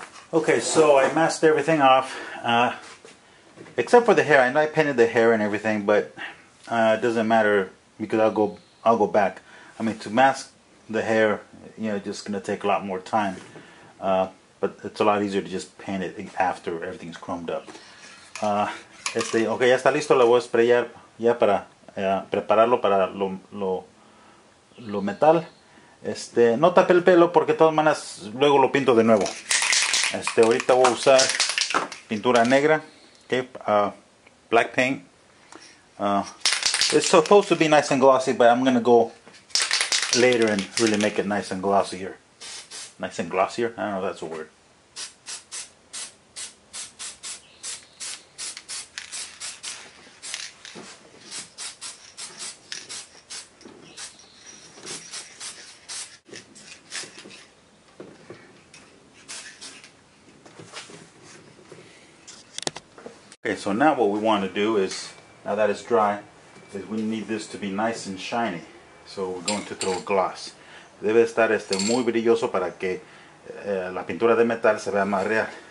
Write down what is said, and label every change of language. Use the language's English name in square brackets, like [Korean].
[English] Okay, so I masked everything off, except for the hair. I know I painted the hair and everything, but it doesn't matter because I'll go back. I mean, to mask the hair, you know, just gonna take a lot more time. But it's a lot easier to just paint it after everything's chromed up. [Spanish] Okay, ya está listo. Lo voy a sprayar ya para prepararlo para lo metal. No tapé el pelo porque de todas maneras luego lo pinto de nuevo. Ahorita voy a usar pintura negra, okay, [English] black paint. It's supposed to be nice and glossy, but I'm gonna go later and really make it nice and glossier. Nice and glossier? I don't know if that's a word. Okay, so now what we want to do is, now that it's dry, is we need this to be nice and shiny. So we're going to throw gloss. [Spanish] Debe estar muy brilloso para que la pintura de metal se vea más real.